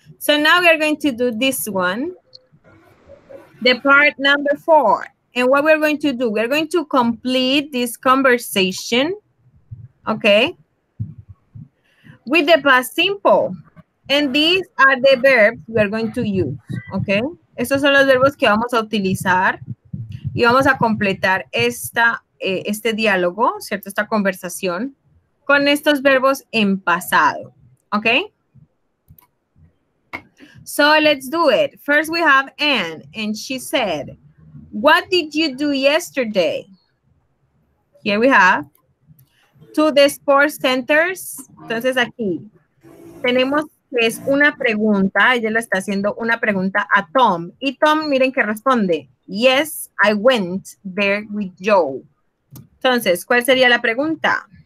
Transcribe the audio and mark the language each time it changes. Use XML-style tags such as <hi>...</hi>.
<en>So now we are going to do this one, the part number four. And what we're going to do, we're going to complete this conversation, okay, with the past simple. And these are the verbs we are going to use, okay?</en> <es>Estos son los verbos que vamos a utilizar y vamos a completar este diálogo, ¿cierto? Esta conversación con estos verbos en pasado, okay?</es> <en>So let's do it. First we have Anne, and she said, what did you do yesterday? Here we have to the sports centers.</en> <es>Entonces aquí tenemos, es una pregunta, ella le está haciendo una pregunta a Tom. Y Tom, miren que responde,</es> <en>Yes, I went there with Joe.</en> <es>Entonces, ¿cuál sería la pregunta?</es>